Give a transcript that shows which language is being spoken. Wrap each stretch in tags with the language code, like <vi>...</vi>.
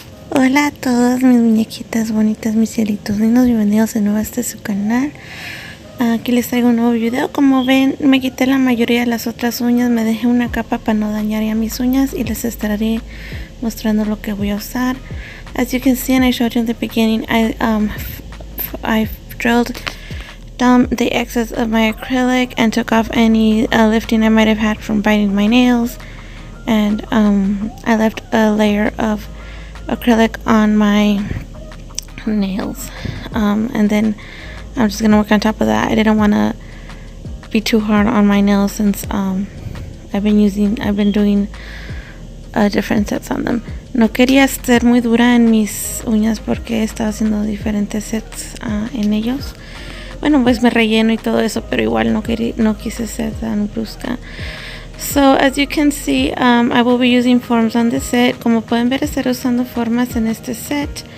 <es>Hola a todas mis muñequitas bonitas, mis cielitos lindos, bienvenidos de nuevo a este su canal. Aquí les traigo un nuevo video. Como ven, me quité la mayoría de las otras uñas, me dejé una capa para no dañar ya mis uñas y les estaré mostrando lo que voy a usar.</es> <en>As you can see and I showed you in the beginning, I've drilled down the excess of my acrylic and took off any lifting I might have had from biting my nails, and I left a layer of acrylic on my nails, and then I'm just gonna work on top of that. I didn't want to be too hard on my nails since I've been doing different sets on them.</en> <es>No quería ser muy dura en mis uñas porque he estado haciendo diferentes sets en ellos. Bueno, pues me relleno y todo eso, pero igual no quise ser tan brusca.</es> <en>So, as you can see, I will be using forms on this set.</en> <es>Como pueden ver, estaré usando formas en este set.</es>